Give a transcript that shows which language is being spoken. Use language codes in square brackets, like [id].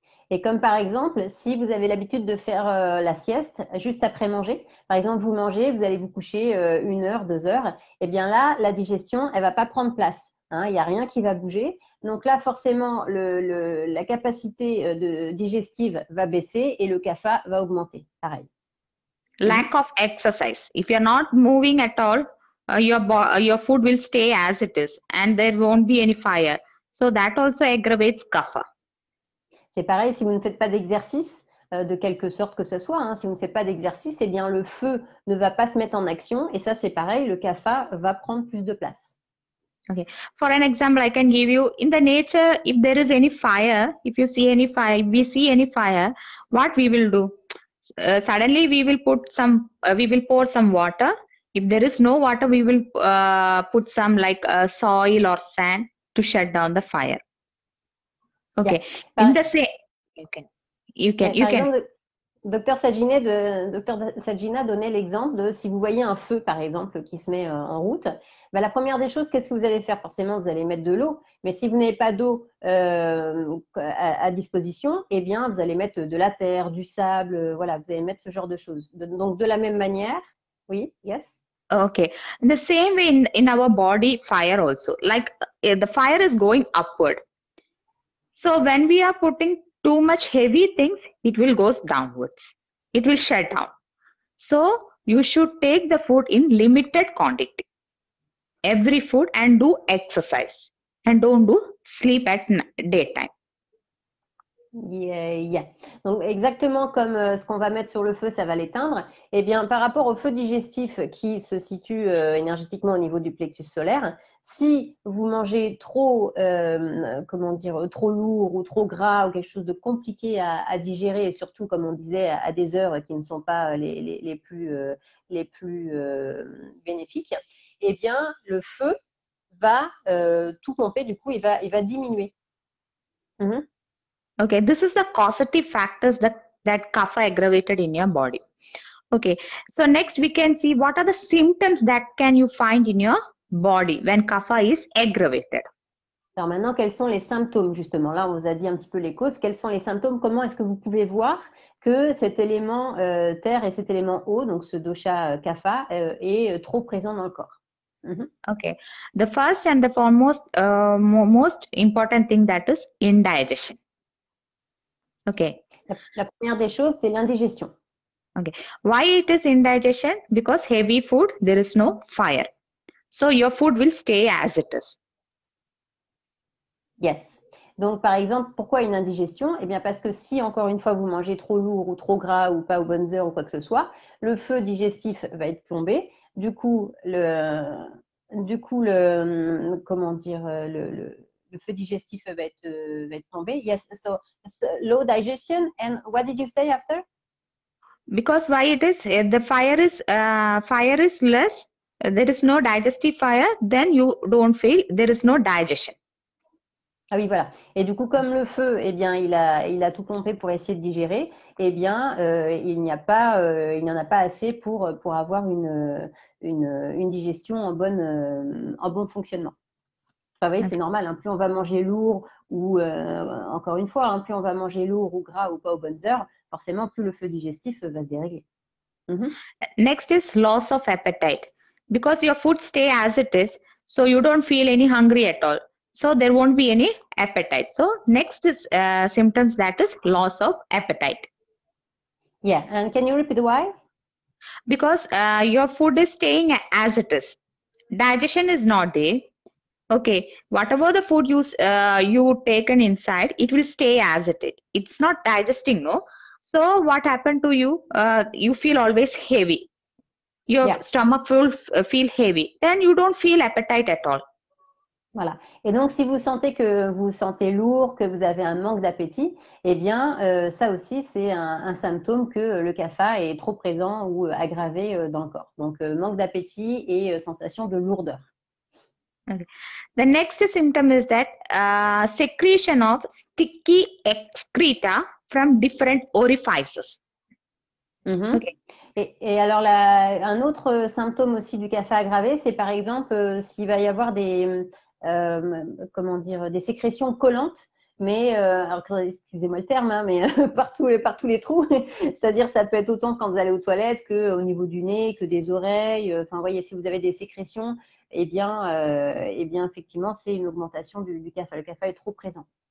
[fr] Et comme par exemple, si vous avez l'habitude de faire la sieste juste après manger, par exemple, vous mangez, vous allez vous coucher 1 heure, 2 heures, eh bien là, la digestion, elle ne va pas prendre place. Hein, il n'y a rien qui va bouger. Donc là, forcément, la capacité digestive va baisser et le kapha va augmenter. Pareil. [en] Lack of exercise. If you're not moving at all, your food will stay as it is and there won't be any fire. So that also aggravates kapha. [fr] C'est pareil si vous ne faites pas d'exercice, de quelque sorte que ce soit. Hein, si vous ne faites pas d'exercice, eh bien le feu ne va pas se mettre en action. Et ça, c'est pareil, le kapha va prendre plus de place. [en] Okay. For an example, I can give you in the nature, if there is any fire, if you see any fire, if we see any fire, what we will do? Suddenly we will pour some water. If there is no water, we will put some like soil or sand to shut down the fire. Yeah. Okay. In the same, [fr] Par [en] you can. [fr] exemple, docteur Sagina donnait l'exemple de si vous voyez un feu, par exemple, qui se met en route, bah, la première des choses, qu'est-ce que vous allez faire? Forcément, vous allez mettre de l'eau. Mais si vous n'avez pas d'eau à disposition, eh bien, vous allez mettre de la terre, du sable, voilà, vous allez mettre ce genre de choses. Donc, de la même manière, oui, [en] yes. Okay, the same way in our body, fire also. Like the fire is going upward. So when we are putting too much heavy things, it will goes downwards. It will shut down. So you should take the food in limited quantity, every food, and do exercise, and don't do sleep at daytime. [fr] Donc exactement comme ce qu'on va mettre sur le feu, ça va l'éteindre. Eh bien, par rapport au feu digestif qui se situe énergétiquement au niveau du plexus solaire, si vous mangez trop, comment dire, trop lourd ou trop gras ou quelque chose de compliqué à digérer, et surtout, comme on disait, à des heures qui ne sont pas les plus bénéfiques, eh bien, le feu va tout pomper. Du coup, il va diminuer. [en] Okay, this is the causative factors that kapha aggravated in your body. Okay, so next we can see what are the symptoms that can you find in your body when kapha is aggravated. [fr] Alors maintenant, quels sont les symptômes justement? Là, on vous a dit un petit peu les causes. Quels sont les symptômes? Comment est-ce que vous pouvez voir que cet élément terre et cet élément eau, donc ce dosha kapha, est trop présent dans le corps? [en] Okay, the first and the foremost most important thing that is indigestion. Okay. [fr] La première des choses, c'est l'indigestion. [en] Okay. Why it is indigestion? Because heavy food, there is no fire. So your food will stay as it is. Yes. [fr] Donc, par exemple, pourquoi une indigestion? Eh bien, parce que si, encore une fois, vous mangez trop lourd ou trop gras ou pas aux bonnes heures ou quoi que ce soit, le feu digestif va être plombé. Du coup, comment dire, le feu digestif va être plombé. [en] Yes, so low digestion. And what did you say after? Because why it is the fire is less, there is no digestive fire, then you don't feel there is no digestion. [fr] Ah oui, voilà. Et du coup, comme le feu, eh bien, il a tout pompé pour essayer de digérer, eh bien, il n'y en a pas assez pour avoir une digestion en bon fonctionnement. Enfin, vous voyez, c'est normal, hein. Plus on va manger lourd ou, encore une fois, hein, plus on va manger lourd ou gras ou pas aux bonnes heures, forcément, plus le feu digestif va se dérégler. [en] Next is loss of appetite. Because your food stay as it is, so you don't feel any hungry at all. So there won't be any appetite. So next is symptoms that is loss of appetite. Yeah, and can you repeat why? Because your food is staying as it is. Digestion is not there. Okay, whatever the food you taken inside, it will stay as it is. It's not digesting, no. So what happened to you? You feel always heavy. Your stomach will feel heavy. Then you don't feel appetite at all. [fr] Voilà. Et donc, si vous sentez que vous sentez lourd, que vous avez un manque d'appétit, eh bien, ça aussi, c'est un symptôme que le kapha est trop présent ou aggravé dans le corps. Donc, manque d'appétit et sensation de lourdeur. [en] Okay. The next symptom is that secretion of sticky excreta from different orifices. Okay. [fr] Et alors, un autre symptôme aussi du kapha aggravé, c'est par exemple s'il va y avoir des sécrétions collantes, mais alors, excusez-moi le terme, hein, mais partout les trous, c'est-à-dire ça peut être autant quand vous allez aux toilettes qu'au niveau du nez, que des oreilles, enfin voyez, si vous avez des sécrétions, eh bien effectivement c'est une augmentation du kapha, le kapha est trop présent.